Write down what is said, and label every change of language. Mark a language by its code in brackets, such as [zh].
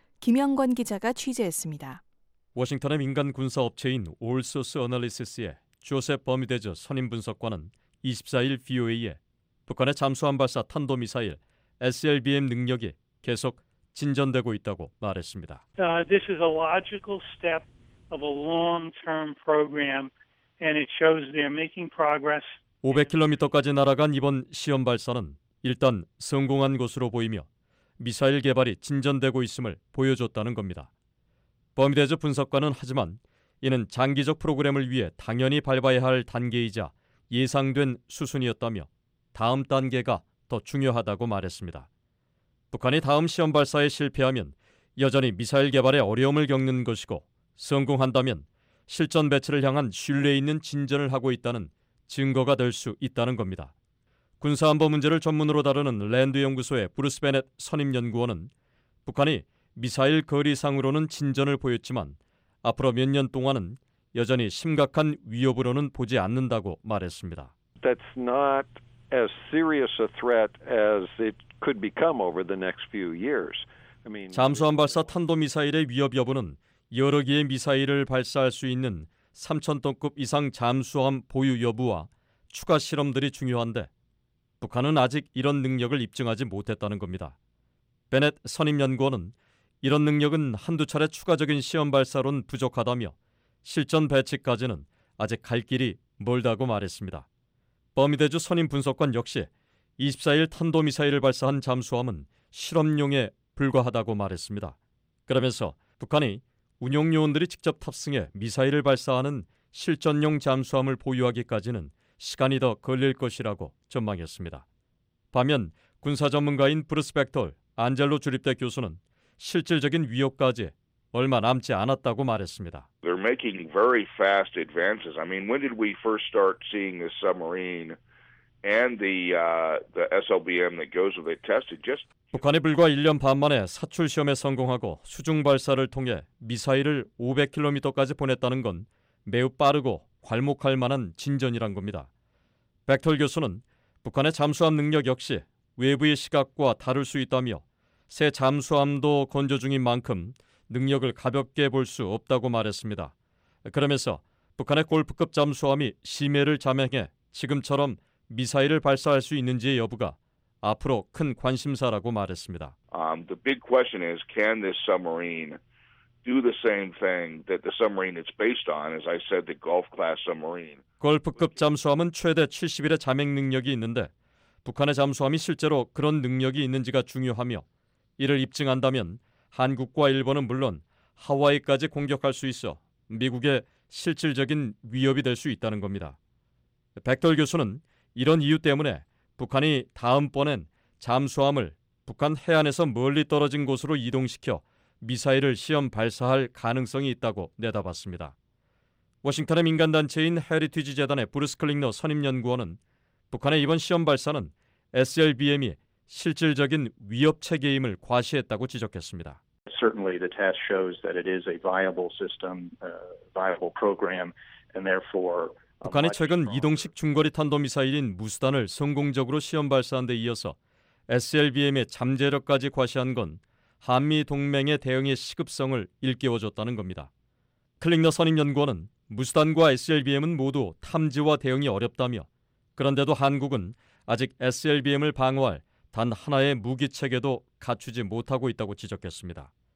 [ko] 김영권 기자가 취재했습니다. 워싱턴의 민간 군사 업체인 올소스 어널리시스의 조셉 버미데즈 선임 분석관은 24일 VOA에 북한의 잠수함 발사 탄도미사일 SLBM 능력이 계속 진전되고 있다고 말했습니다. [en] This is a logical step of a long-term program. And it shows they're making progress. [ko] 500km까지 날아간 이번 시험 발사는 일단 성공한 것으로 보이며 미사일 개발이 진전되고 있음을 보여줬다는 겁니다. 버미데즈 분석관은 하지만 이는 장기적 프로그램을 위해 당연히 밟아야 할 단계이자 예상된 수순이었다며 다음 단계가 더 중요하다고 말했습니다. 북한이 다음 시험 발사에 실패하면 여전히 미사일 개발에 어려움을 겪는 것이고 성공한다면 실전 배치를 향한 신뢰 있는 진전을 하고 있다는 증거가 될 수 있다는 겁니다. 군사안보 문제를 전문으로 다루는 랜드 연구소의 브루스 베넷 선임 연구원은 북한이 미사일 거리상으로는 진전을 보였지만 앞으로 몇 년 동안은 여전히 심각한 위협으로는 보지 않는다고 말했습니다. [en] That's not as serious a threat as it could become over the next few years. [ko] 잠수함 발사 탄도 미사일의 위협 여부는 여러 개의 미사일을 발사할 수 있는 3,000톤급 이상 잠수함 보유 여부와 추가 실험들이 중요한데 북한은 아직 이런 능력을 입증하지 못했다는 겁니다. 베넷 선임 연구원은 이런 능력은 한두 차례 추가적인 시험 발사로는 부족하다며 실전 배치까지는 아직 갈 길이 멀다고 말했습니다. 버미데즈 선임 분석관 역시 24일 탄도미사일을 발사한 잠수함은 실험용에 불과하다고 말했습니다. 그러면서 북한이 운용 요원들이 직접 탑승해 미사일을 발사하는 실전용 잠수함을 보유하기까지는 시간이 더 걸릴 것이라고 전망했습니다. 반면 군사 전문가인 브루스 벡톨 안젤로 주립대 교수는 실질적인 위협까지 얼마 남지 않았다고 말했습니다. [en] They're making very fast advances. I mean, when did we first start seeing the submarine and the SLBM that goes with it tested? Just [ko] 북한이 불과 1년 반 만에 사출 시험에 성공하고 수중 발사를 통해 미사일을 500km까지 보냈다는 건 매우 빠르고 괄목할 만한 진전이란 겁니다. 백털 교수는 북한의 잠수함 능력 역시 외부의 시각과 다를 수 있다며 새 잠수함도 건조 중인 만큼 능력을 가볍게 볼 수 없다고 말했습니다. 그러면서 북한의 골프급 잠수함이 심해를 잠행해 지금처럼 미사일을 발사할 수 있는지의 여부가 앞으로 큰 관심사라고 말했습니다. [en] The big question is, can this submarine do the same thing that the submarine it's based on, as I said, the Gulf-class submarine? [ko] 골프급 잠수함은 최대 70일의 잠행 능력이 있는데, 북한의 잠수함이 실제로 그런 능력이 있는지가 중요하며, 이를 입증한다면 한국과 일본은 물론 하와이까지 공격할 수 있어 미국의 실질적인 위협이 될 수 있다는 겁니다. 백돌 교수는 이런 이유 때문에 북한이 다음번엔 잠수함을 북한 해안에서 멀리 떨어진 곳으로 이동시켜 미사일을 시험 발사할 가능성이 있다고 내다봤습니다. 워싱턴의 민간단체인 헤리티지 재단의 브루스 클링너 선임연구원은 북한의 이번 시험 발사는 SLBM이 실질적인 위협 체계임을 과시했다고 지적했습니다. [en] Certainly the test shows that it is a viable system, viable program, and therefore [ko] 북한이 최근 이동식 중거리 탄도미사일인 무수단을 성공적으로 시험 발사한 데 이어서 SLBM의 잠재력까지 과시한 건 한미동맹의 대응의 시급성을 일깨워줬다는 겁니다. 클링너 선임연구원은 무수단과 SLBM은 모두 탐지와 대응이 어렵다며 그런데도 한국은 아직 SLBM을 방어할 단 하나의 무기체계도 갖추지 못하고 있다고 지적했습니다.